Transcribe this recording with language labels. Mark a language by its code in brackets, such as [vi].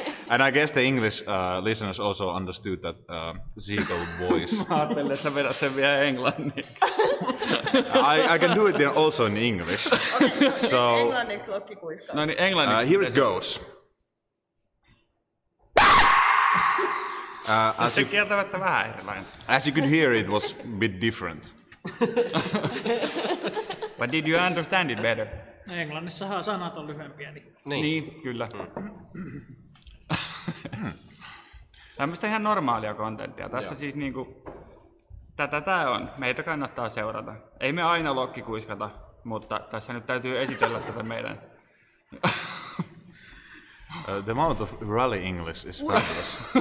[en] And I guess the English listeners also understood that Zeagle voice. [fi] Mä ajattelin, että sä vedät sen vielä englanniksi. [en] I can do it in also in English. So, [fi] englanniksi lokki kuiskaa. No niin, englanniksi. [en] Here it goes. [fi] Se kieltävättä vähän erilainen. [en] As you could hear, it was a bit different. But did you understand it better? [fi] Englannissahan sanat on lyhyempiä. Niin, niin kyllä. Tämmöistä ihan normaalia kontenttia. Tässä siis niinku, tätä on. Meitä kannattaa seurata. Ei me aina lokki kuiskata, mutta tässä nyt täytyy esitellä tätä meidän. [en] The amount of rally English is fabulous.